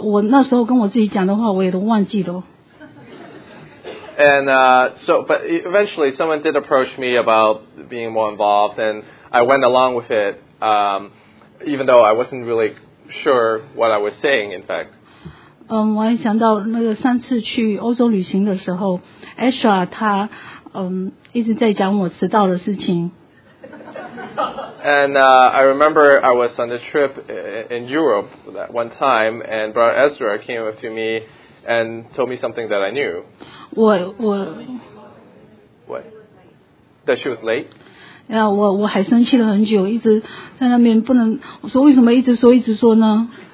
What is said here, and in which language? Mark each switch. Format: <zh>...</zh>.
<zh>然后后来就是我也不知道怎么晓得，就有人来，有弟兄姊妹来叫我去参加什么服事啊什么的，那我也就去了，但是我那时候跟我自己讲的话，我也都忘记了。</zh> <en>And so, but eventually someone did approach me about being more involved, and I went along with it, even though I wasn't really sure what I was saying, in fact.</en> <zh>我还想到那个上次去欧洲旅行的时候, Ezra 他, 一直在讲我迟到的事情。</zh> <en>And I remember I was on a trip in Europe that one time, and Brother Ezra came up to me and told me something that I knew.</en> <zh>我</zh> <en>What? That she was late?</en> <zh>Yeah, 我还生气了很久，一直在那边不能，我说为什么一直说一直说呢？</zh>